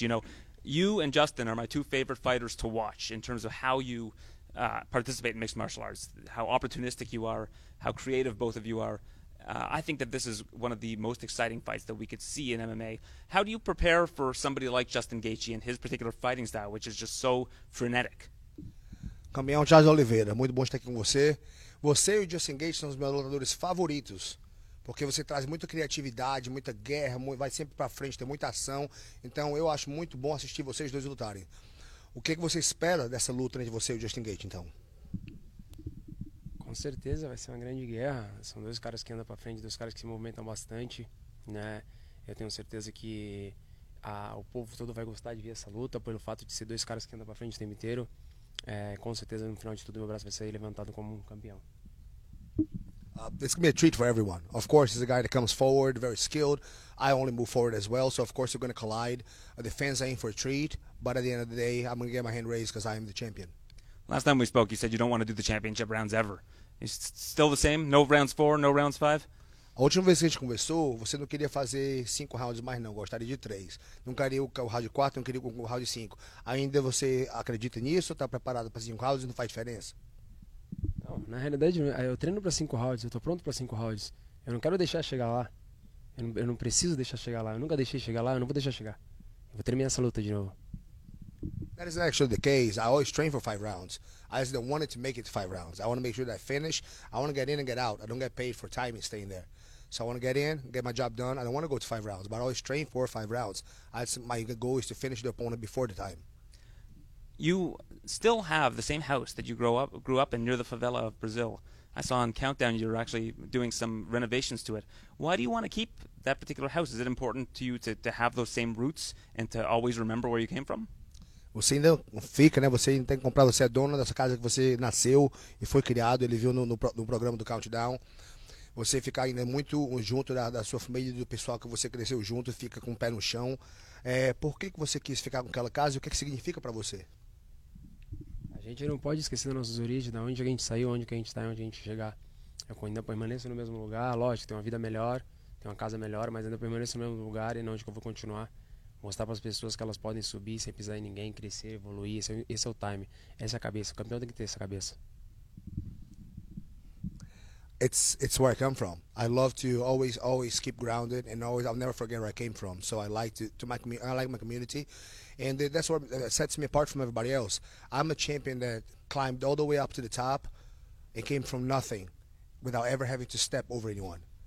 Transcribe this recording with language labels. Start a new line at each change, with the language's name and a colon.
English: You know, you and Justin are my two favorite fighters to watch in terms of how you participate in mixed martial arts, how opportunistic you are, how creative both of you are. I think that this is one of the most exciting fights that we could see in MMA. How do you prepare for somebody like Justin Gaethje and his particular fighting style, which is just so frenetic?
Portuguese: Campeão Charles Oliveira, muito bom estar aqui com você. Você e o Justin Gaethje são os meus lutadores favoritos, porque você traz muita criatividade, muita guerra, vai sempre para frente, tem muita ação. Então eu acho muito bom assistir vocês dois lutarem. O que você espera dessa luta entre você e o Justin Gaethje, então? Com certeza vai ser uma grande guerra. São dois caras que andam para frente, dois caras que se movimentam bastante, né? Eu tenho certeza que o povo todo vai gostar de ver essa luta, pelo fato de ser dois caras que andam para frente o tempo inteiro. Com certeza, no final de tudo, meu braço vai ser levantado como um campeão.
English: It's going to be a treat for everyone. Of course, he's a guy that comes forward, very skilled. I only move forward as well, so of course we're going to collide. The fans are in for a treat, but at the end of the day, I'm going to get my hand raised because I am the champion. Last time we spoke, you said you don't want to do the championship rounds ever. It's still the same? No rounds four, no rounds five?
Portuguese: A última vez que a gente conversou, você não queria fazer cinco rounds mais não, gostaria de três. Não queria o round quatro, não queria o round cinco. Ainda você acredita nisso? Está preparado para cinco rounds e não faz diferença? Na realidade, eu treino para 5 rounds, eu estou pronto para 5 rounds. Eu não quero deixar chegar lá. Eu não preciso deixar chegar lá. Eu nunca deixei chegar lá, eu não vou deixar chegar. Eu vou terminar essa luta de novo.
English: That is actually the case. I always train for 5 rounds. I just don't want it to make it to 5 rounds. I want to make sure that I finish. I want to get in and get out. I don't get paid for time and staying there. So I want to get in, get my job done. I don't want to go to 5 rounds, but I always train for 5 rounds. My goal is to finish the opponent before the time. You still have the same house that you grew up in near the favela of Brazil. I saw on Countdown you're actually doing some renovations to it. Why do you want to keep that particular house? Is it important to you to have those same roots and to always remember where you came from?
Portuguese: Você ainda fica, né? Você tem que comprar, você é dono dessa casa que você nasceu e foi criado, ele viu no programa do Countdown. Você fica ainda muito junto da sua família e do pessoal que você cresceu junto, fica com o pé no chão. Por que você quis ficar com aquela casa e o que significa para você? A gente não pode esquecer das nossas origens, de onde a gente saiu, onde que a gente está e onde a gente chegar. Eu ainda permaneço no mesmo lugar, lógico, tenho uma vida melhor, tenho uma casa melhor, mas ainda permaneço no mesmo lugar e não onde que eu vou continuar. Mostrar para as pessoas que elas podem subir sem pisar em ninguém, crescer, evoluir, esse é o time, essa é a cabeça, o campeão tem que ter essa cabeça.
English: It's where I come from. I love to always keep grounded and always I'll never forget where I came from. So I like my community, and that's what sets me apart from everybody else. I'm a champion that climbed all the way up to the top and came from nothing without ever having to step over anyone.